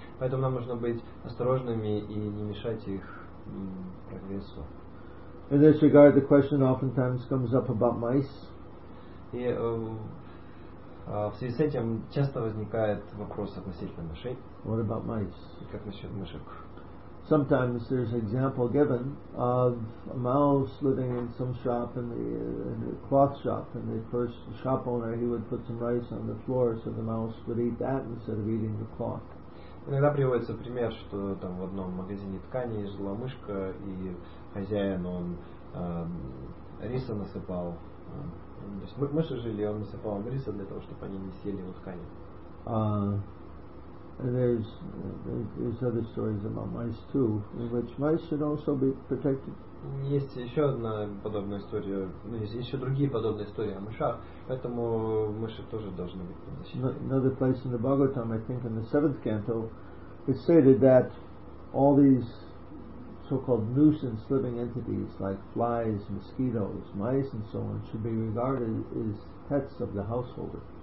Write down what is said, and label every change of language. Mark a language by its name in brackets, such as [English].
[Russian] Поэтому нам нужно быть осторожными и не мешать их прогрессу. [English] In this regard, the question oftentimes comes up about mice. [Russian] И в связи с этим часто возникает вопрос относительно мышей. [English] What about mice? [Russian] Как насчет мышек? [English] Sometimes there's an example given of a mouse living in some shop, in the cloth shop, and the first shop owner, he would put some rice on the floor so the mouse would eat that instead of eating the cloth. [Russian] Иногда приводится пример, что там в одном магазине тканей жила мышка, и хозяин, он риса насыпал. То есть мыши жили, он насыпал им риса для того, чтобы они не съели его ткани. [English] There's other stories about mice too, in which mice should also be protected. [Russian] Есть еще одна подобная история, ну, есть еще другие подобные истории о мышах, поэтому мыши тоже должны быть защищены. [English] Another place in the Bhagavatam, I think in the 7th canto, it stated that all these so-called nuisance living entities like flies, mosquitoes, mice and so on should be regarded as pets of the householder.